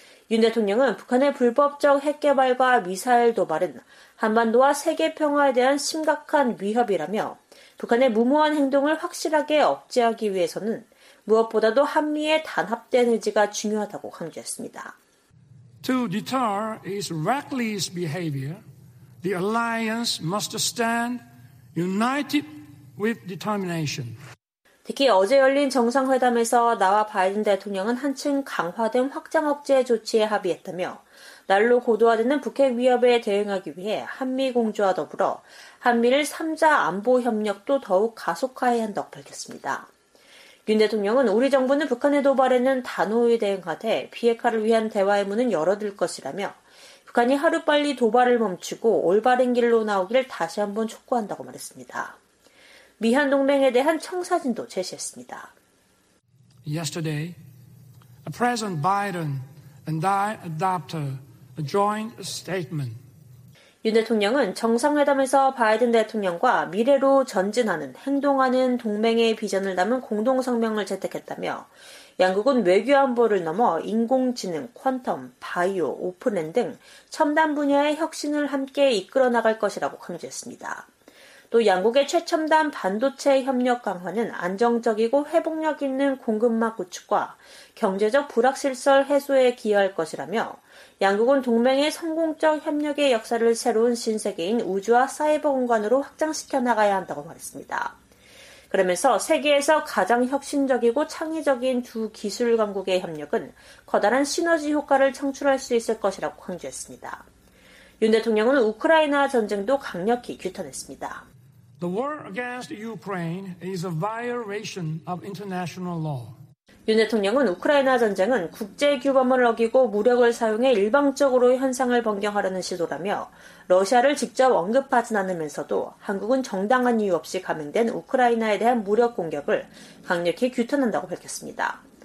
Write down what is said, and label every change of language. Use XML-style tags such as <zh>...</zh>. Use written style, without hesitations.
<ko>윤 대통령은 북한의 불법적 핵개발과 미사일 도발은 한반도와 세계 평화에 대한 심각한 위협이라며 북한의 무모한 행동을 확실하게 억제하기 위해서는 무엇보다도 한미의 단합된 의지가 중요하다고 강조했습니다.</ko> <en>To deter its reckless behavior, the alliance must stand united with determination.</en> <ko>특히 어제 열린 정상회담에서 나와 바이든 대통령은 한층 강화된 확장 억제 조치에 합의했다며 날로 고도화되는 북핵 위협에 대응하기 위해 한미 공조와 더불어 한미일 3자 안보 협력도 더욱 가속화해야 한다고 밝혔습니다. 윤 대통령은 우리 정부는 북한의 도발에는 단호히 대응하되 비핵화를 위한 대화의 문은 열어둘 것이라며 북한이 하루빨리 도발을 멈추고 올바른 길로 나오기를 다시 한번 촉구한다고 말했습니다. 미한 동맹에 대한 청사진도 제시했습니다.</ko> <en>Yesterday, President Biden and I adopted a joint statement.</en> <ko>윤 대통령은 정상회담에서 바이든 대통령과 미래로 전진하는 행동하는 동맹의 비전을 담은 공동성명을 채택했다며 양국은 외교안보를 넘어 인공지능, 퀀텀, 바이오, 오픈엔 등 첨단 분야의 혁신을 함께 이끌어 나갈 것이라고 강조했습니다. 또 양국의 최첨단 반도체 협력 강화는 안정적이고 회복력 있는 공급망 구축과 경제적 불확실성 해소에 기여할 것이라며 양국은 동맹의 성공적 협력의 역사를 새로운 신세계인 우주와 사이버 공간으로 확장시켜 나가야 한다고 말했습니다. 그러면서 세계에서 가장 혁신적이고 창의적인 두 기술 강국의 협력은 커다란 시너지 효과를 창출할 수 있을 것이라고 강조했습니다. 윤 대통령은 우크라이나 전쟁도 강력히 규탄했습니다.</ko> <en>The war against Ukraine is a violation of international law.</en> <ko>윤 대통령은 우크라이나 전쟁은 국제 규범을 어기고 무력을 사용해 일방적으로 현상을 변경하려는 시도라며 러시아를 직접 언급하진 않으면서도 한국은 정당한 이유 없이 감행된 우크라이나에 대한 무력 공격을 강력히 규탄한다고 밝혔습니다.</ko>